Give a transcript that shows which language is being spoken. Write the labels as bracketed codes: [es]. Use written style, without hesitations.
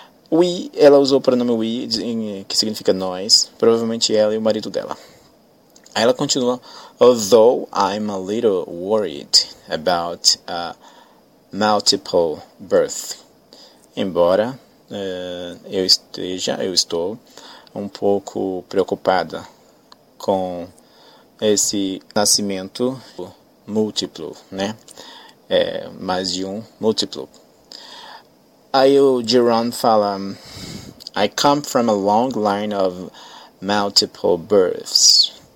[pt] We, ela usou o pronome we, que significa nós, provavelmente ela e o marido dela. Aí ela continua, [en] although I'm a little worried about a multiple birth. [pt] Embora eu estou um pouco preocupada com esse nascimento múltiplo, né? Mais de um múltiplo. Aí o Jerome fala, [en] I come from a long line of multiple births.